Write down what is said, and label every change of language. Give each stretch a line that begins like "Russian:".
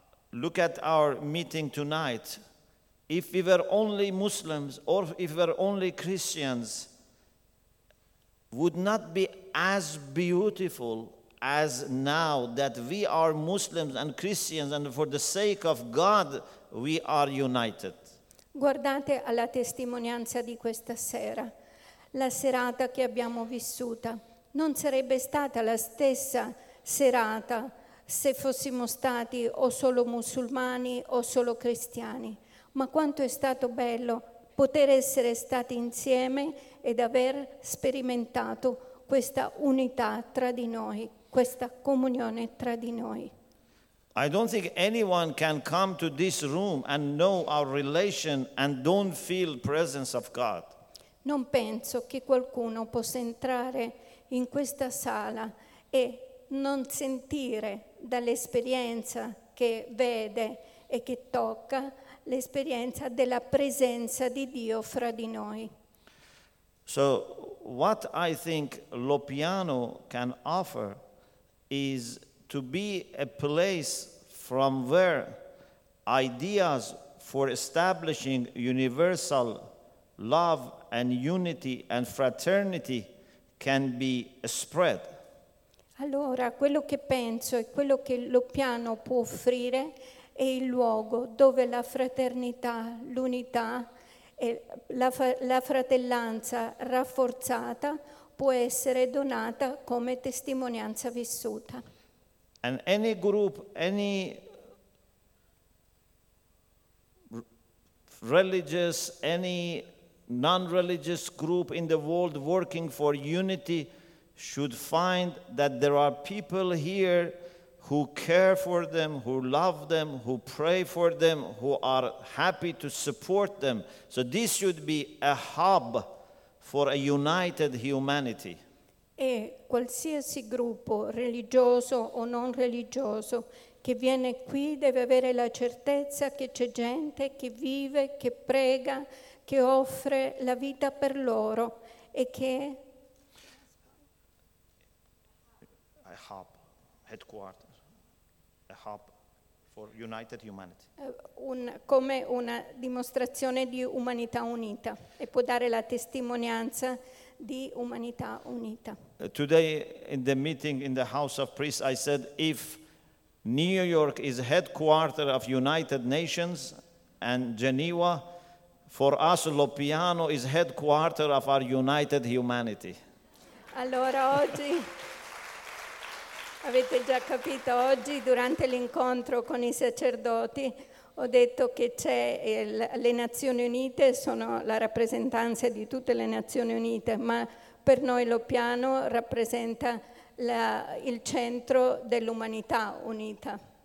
English: Look at our meeting tonight. If we were only Muslims or if we were only Christians, would not be as beautiful as now that we are Muslims and Christians and for the sake of God we are united.
Italian: Guardate alla testimonianza di questa sera, la serata che abbiamo vissuta. Non sarebbe stata la stessa serata se fossimo stati o solo musulmani o solo cristiani. Ma quanto è stato bello poter essere stati insieme ed aver sperimentato questa unità tra di noi, questa comunione tra di noi.
English: I don't think anyone can come to this room and know our relation and don't feel presence of God.
Italian: Non penso che qualcuno possa entrare in questa sala e non sentire dall'esperienza che vede e che tocca l'esperienza della presenza di Dio fra di noi.
English: So what I think Loppiano can offer is to be a place from where ideas for establishing universal love and unity and fraternity can be spread.
Italian: Allora, quello che penso e quello che Loppiano può offrire è il luogo dove la fraternità, l'unità e la fratellanza rafforzata può essere donata come testimonianza vissuta.
English: And any group, any religious, any non-religious group in the world working for unity should find that there are people here who care for them, who love them, who pray for them, who are happy to support them. So this should be a hub for a united humanity.
Italian: E qualsiasi gruppo religioso o non religioso che viene qui deve avere la certezza che c'è gente che vive, che prega, che offre la vita per loro e che
English: a hub, headquarters, a hub for united humanity.
Italian: Come una dimostrazione di umanità unita e può dare la testimonianza di umanità unita.
English: Today in the meeting in the House of Priests I said if New York is headquarters of United Nations and Geneva, for us Loppiano is headquarters of our united humanity.
Italian: Allora oggi avete già capito, oggi durante l'incontro con i sacerdoti ho detto che c'è le Nazioni Unite sono la rappresentanza di tutte le Nazioni Unite, ma per noi Loppiano rappresenta il centro dell'umanità unita.